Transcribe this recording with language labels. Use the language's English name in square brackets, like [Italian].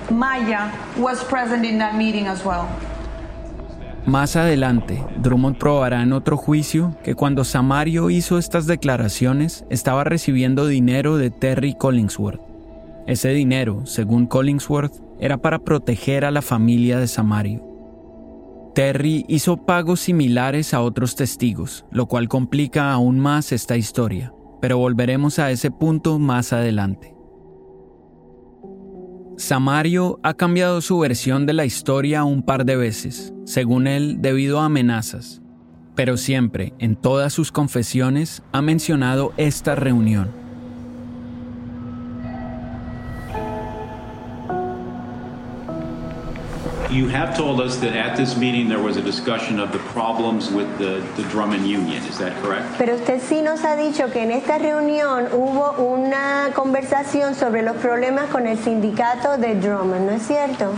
[English] Maya was present in that meeting as well. [Spanish] Más adelante, Drummond probará en otro juicio que cuando Samario hizo estas declaraciones, estaba recibiendo dinero de Terry Collingsworth. Ese dinero, según Collingsworth, era para proteger a la familia de Samario. Terry hizo pagos similares a otros testigos, lo cual complica aún más esta historia, pero volveremos a ese punto más adelante. Samario ha cambiado su versión de la historia un par de veces, según él, debido a amenazas, pero siempre, en todas sus confesiones, ha mencionado esta reunión. [English] You have told us that at this meeting there was a discussion of the problems with the Drummond Union. Is that correct? [Spanish] Pero usted sí nos ha dicho que en esta reunión hubo una conversación sobre los problemas con el sindicato de Drummond, ¿no es cierto?